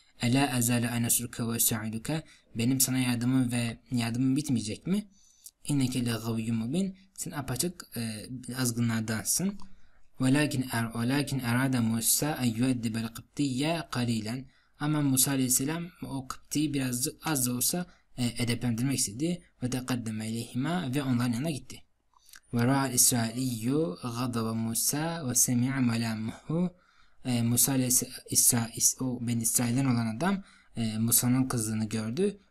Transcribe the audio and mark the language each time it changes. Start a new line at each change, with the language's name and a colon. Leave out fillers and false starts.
Arabic: Ela azalu anasruka ve sa'iduka
Turkish: benim sana yardımım ve yardımım bitmeyecek mi?
Arabic: İnneke le gavyum mubin
Turkish: sen apaçık azgınlardansın.
Arabic: ولكن أراد موسى أن يؤدب القبطية قليلا.
Turkish: Ama Musa Aleyhisselam o Kıpti'yi biraz az da olsa edeplendirmek istedi.
Arabic: Ve teqaddeme ileyhima
Turkish: ve onların yanına gitti.
Arabic: Ve ra'a İsrailiyyu gadaba Musa ve semi'a melamuhu.
Turkish: Musa Aleyhisselam, o Ben İsrail'den olan adam Musa'nın kızdığını gördü.